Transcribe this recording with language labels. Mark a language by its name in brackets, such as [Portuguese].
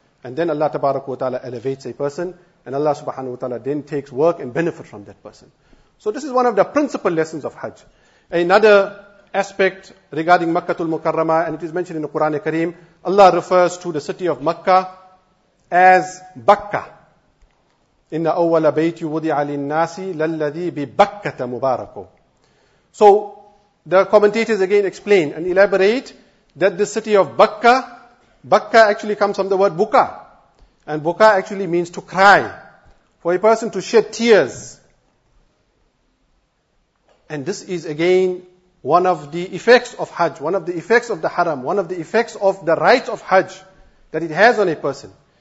[English] And then Allah tabaraka wa ta'ala elevates a person, and Allah subhanahu wa ta'ala then takes work and benefit from that person. So this is one of the principal lessons of Hajj. Another aspect regarding Makkatul Mukarramah, and it is mentioned in the Quran Kareem, Allah refers to the city of Makkah as Bakka. [Arabic] إن أول بيت وضع للناس للذي ببكة مباركو. [English] So the commentators again explain and elaborate that the city of Bakka actually comes from the word buka, and buka actually means to cry, for a person to shed tears. And this is again one of the effects of Hajj, one of the effects of the Haram, one of the effects of the rites of Hajj that it has on a person.